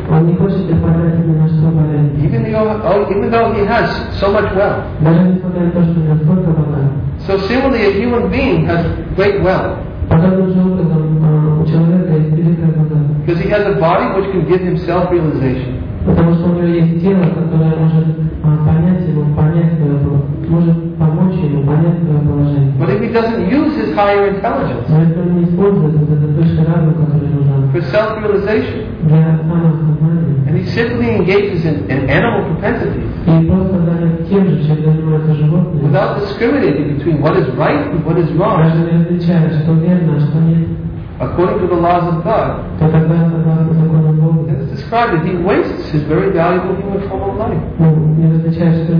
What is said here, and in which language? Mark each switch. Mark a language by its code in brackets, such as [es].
[ru] Он не хочет потратить ни на что полезное. [en] Even though he has so much wealth. [ru] Даже несмотря на то, что у него столько богатства. [en] So similarly, a human being has great wealth. Because he has a body which can give him self-realization. [ru] Потому что у него есть тело, которое может понять его, может помочь ему понять его положение. [en] But if he doesn't use his higher intelligence, [ru] но если он не использует вот этот высший разум, который нужен, [en] for self-realization, [ru] для самосознания, [en] and he simply engages in animal propensities, [ru] и просто занят тем же, чем занимается животное, [en] without discriminating between what is right and what is wrong, [ru] даже не отличая, что верно, что нет. [en] According to the laws of God, it's described that he wastes his very valuable human form of life.